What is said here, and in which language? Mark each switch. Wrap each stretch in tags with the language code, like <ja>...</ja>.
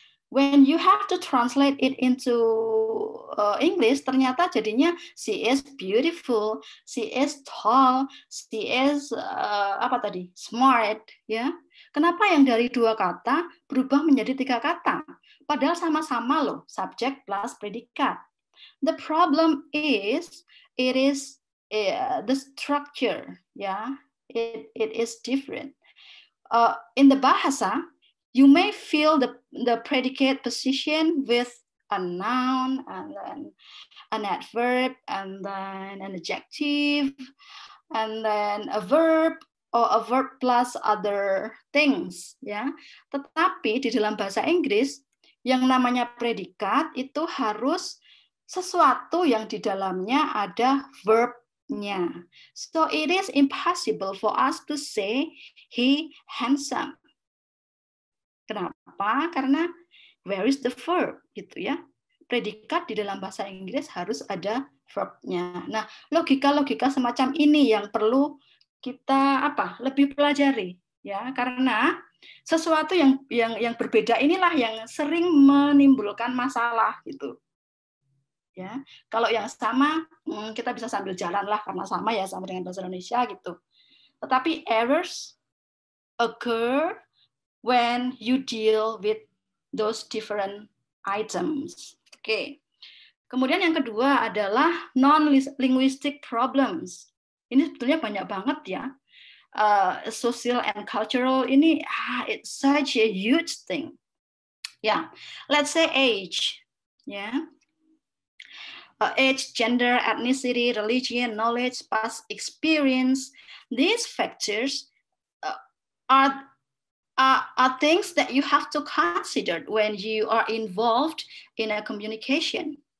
<en>When you have to translate it into English,</en> <id>ternyata jadinya</id> <en>she is beautiful, she is tall, she is smart, ya.</en> <id>Kenapa yang dari dua kata berubah menjadi tiga kata? Padahal sama-sama loh,</id> <en>subject plus predicate. The problem is the structure, ya. It is different. In the bahasa, you may fill the predicate position with a noun and then an adverb and then an adjective and then a verb or a verb plus other things, ya.</en> <id>Tetapi di dalam bahasa Inggris, yang namanya predikat itu harus sesuatu yang di dalamnya ada verbnya.</id> <en>So it is impossible for us to say he handsome.</en> <id>Kenapa? Karena</id> <en>where is the verb,</en> <id>gitu, ya. Predikat di dalam bahasa Inggris harus ada verbnya. Nah, logika-logika semacam ini yang perlu kita lebih pelajari, ya, karena sesuatu yang berbeda inilah yang sering menimbulkan masalah gitu. Ya, kalau yang sama kita bisa sambil jalan lah karena sama ya, sama dengan bahasa Indonesia gitu. Tetapi</id> <en>errors occur when you deal with those different items. Oke.</en> <id>Kemudian yang kedua adalah non-linguistic problems. Ini sebetulnya banyak banget ya.</id> <en>Social and cultural</en> <id>ini,</id> <en>it's such a huge thing. Yeah. Let's say age. Yeah. Age, gender, ethnicity, religion, knowledge, past experience. These factors are things that you have to consider when you are involved in a communication.</en>